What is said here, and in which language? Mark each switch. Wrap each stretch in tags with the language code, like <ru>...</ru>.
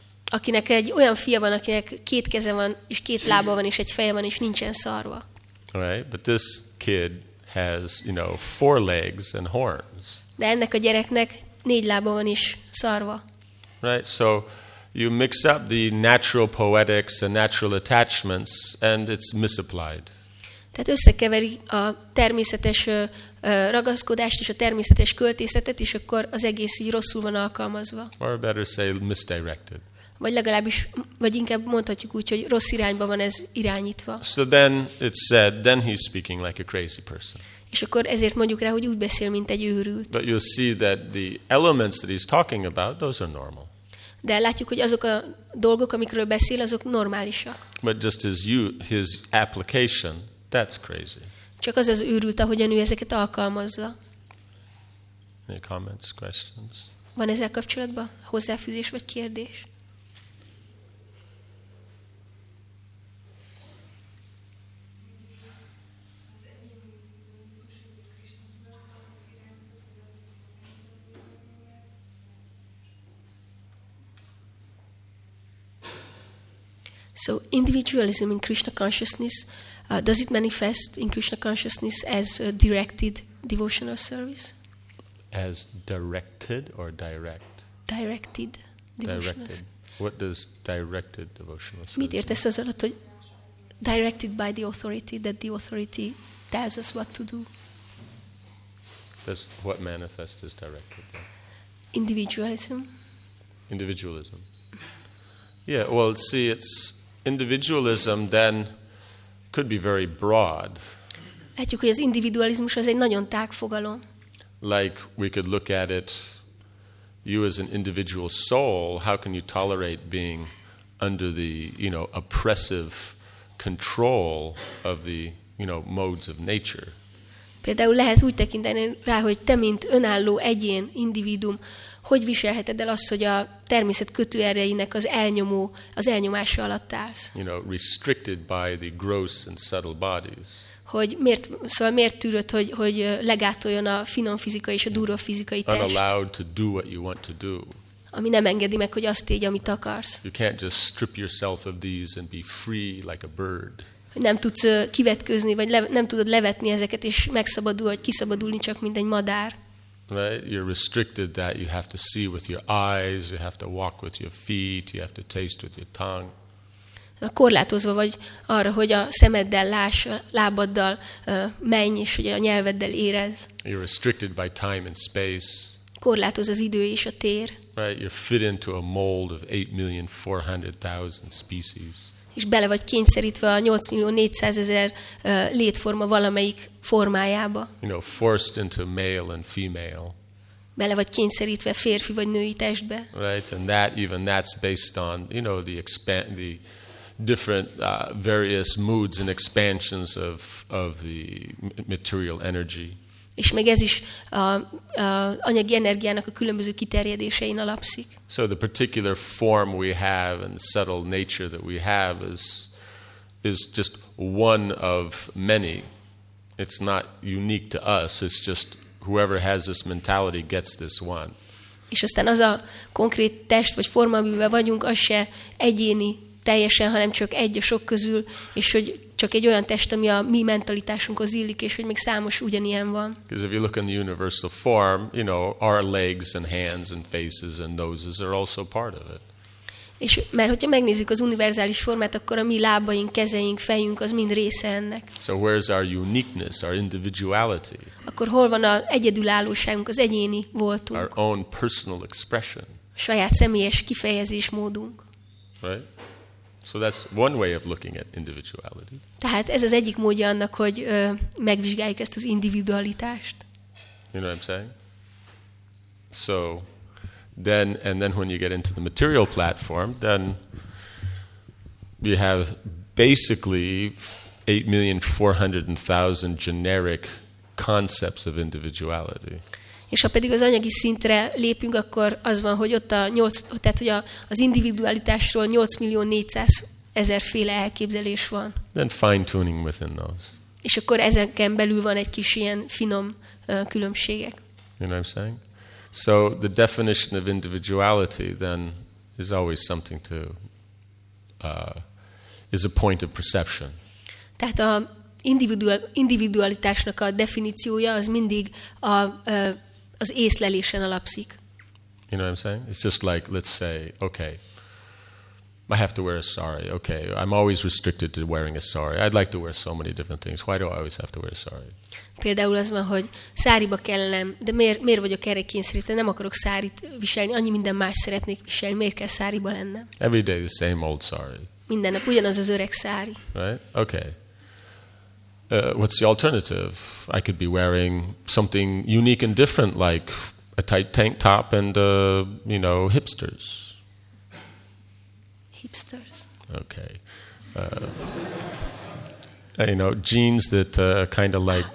<hu>Akinek egy olyan fia van, akinek két keze van és két lába van és egy feje van és nincsen szarva.</hu> <en>Right, but this kid has, you know, four legs and horns.</en> <hu>De ennek a gyereknek négy lába van és szarva.</hu> <en>Right, so you mix up the natural poetics and natural attachments and it's misapplied.</en> <hu>Tehát összekeveri a természetes ragaszkodást és a természetes költészetet, és akkor az egész így rosszul van alkalmazva.</hu> <en>Or better say misdirected.</en> <hu>Vagy legalábbis, vagy inkább mondhatjuk úgy, hogy rossz irányba van ez irányítva.</hu> <en>So then it's said, then he's speaking like a crazy person.</en> <hu>És akkor ezért mondjuk rá, hogy úgy beszél, mint egy őrült.</hu> <en>But you'll see that the elements that he's talking about, those are normal.</en> <hu>De látjuk, hogy azok a dolgok, amikről beszél, azok normálisak.</hu> <en>But just his application, that's crazy.</en> <hu>Csak az az őrült, ahogyan ő ezeket alkalmazza.</hu> <en>Any comments, questions?</en> <hu>Van ezzel kapcsolatban hozzáfűzés vagy kérdés?</hu> <en>So individualism in Krishna consciousness, does it manifest in Krishna consciousness as a directed devotional service? As directed or direct? Directed devotional service. What does directed devotional service mean?</en> <hu>Mit értesz az alatt, hogy</hu> <en>directed by the authority, that the authority tells us what to do? That's what manifests as directed. Then? Individualism. Individualism. Yeah, well, see, it's individualism then could be very broad.</en> <hu>Látjuk, hogy az individualizmus az egy nagyon tág fogalom.</hu> <en>Like we could look at it, you as an individual soul, how can you tolerate being under the, you know, oppressive control of the, you know, modes of nature?</en> <hu>Például lehet úgy tekinteni rá, hogy te mint önálló egyén, individuum, hogy viselheted el azt, hogy a természet kötőerreinek az elnyomása alatt állsz?</hu> <en>You know, restricted by the gross and subtle bodies.</en> <hu>Miért tűröd, hogy legátoljon a finom fizika és a durva fizikai test?</hu> <en>Unallowed to do what you want to do.</en> <hu>Ami nem engedi meg, hogy azt tégy, amit akarsz.</hu> <en>You can't just strip yourself of these and be free like a bird.</en> <hu>Nem tudsz kivetkőzni, vagy nem tudod levetni ezeket, és megszabadul, vagy kiszabadulni csak, mint egy madár.</hu> <en>Right? You're restricted that you have to see with your eyes, you have to walk with your feet, you have to taste with your tongue.</en> <hu>Korlátozva vagy arra, hogy a szemeddel láss, a lábaddal menj, és hogy a nyelveddel érezz.</hu> <en>You're restricted by time and space.</en> <hu>Korlátoz az idő és a tér.</hu> <en>Right? You're fit into a mold of 8,400,000 species.</en> <hu>És bele vagy kényszerítve a 8,400,000 létforma valamelyik formájába.</hu> <en>You know, forced into male and female.</en> <hu>Bele vagy kényszerítve férfi vagy női testbe.</hu> <en>Right, and that even that's based on, you know, the different various moods and expansions of the material energy.</en> <hu>És még ez is anyagi energiának a különböző kiterjedésein alapszik.</hu> <en>So the particular form we have and the subtle nature that we have is just one of many. It's not unique to us. It's just whoever has this mentality gets this one.</en> <hu>És aztán az a konkrét test vagy forma, amiben vagyunk, az se egyéni teljesen, hanem csak egy a sok közül, és hogy csak egy olyan test, ami a mi mentalitásunkhoz illik, és hogy még számos ugyanilyen van.</hu> <en>Because if you look in the universal form, you know, our legs and hands and faces and noses are also part of it.</en> <hu>És mert hogyha megnézzük az univerzális formát, akkor a mi lábaink, kezeink, fejünk az mind része ennek.</hu> <en>So where's our uniqueness, our individuality?</en> <hu>Akkor hol van az egyedülállóságunk, az egyéni voltunk?</hu> <en>Our own personal expression.</en> <hu>A saját személyes kifejezés módunk.</hu> <en>Right? So that's one way of looking at individuality.</en> <hu>Tehát ez az egyik módja annak, hogy megvizsgáljuk ezt az individualitást.</hu> <en>You know what I'm saying? So then when you get into the material platform, then you have basically 8,400,000 generic concepts of individuality.</en> <hu>És ha pedig az anyagi szintre lépünk, akkor az van, hogy ott a 8, tehát hogy az individualitásról 8,400,000 féle elképzelés van.</hu> <en>Then fine tuning within those.</en> <hu>És akkor ezeken belül van egy kis ilyen finom különbségek.</hu> <en>You know what I'm saying? So the definition of individuality then is always something to is a point of perception.</en> <hu>Tehát a individualitásnak a definíciója az mindig a az észlelésen alapszik.</hu> <en>You know what I'm saying? It's just like, let's say, okay, I have to wear a sari. Okay, I'm always restricted to wearing a sari. I'd like to wear so many different things. Why do I always have to wear a sari?</en> <hu>Például az van, hogy száriba kellene, de miért vagyok erre kényszerítve? Nem akarok szárit viselni. Annyi minden más szeretnék viselni. Miért kell száriba lennem?</hu> <en>Every day the same old sari.</en> <hu>Minden nap ugyanaz az öreg sári.</hu> <en>Right? Okay. What's the alternative? I could be wearing something unique and different, like a tight tank top and, you know, hipsters. Hipsters. Okay. you know, jeans that kind of like...</en>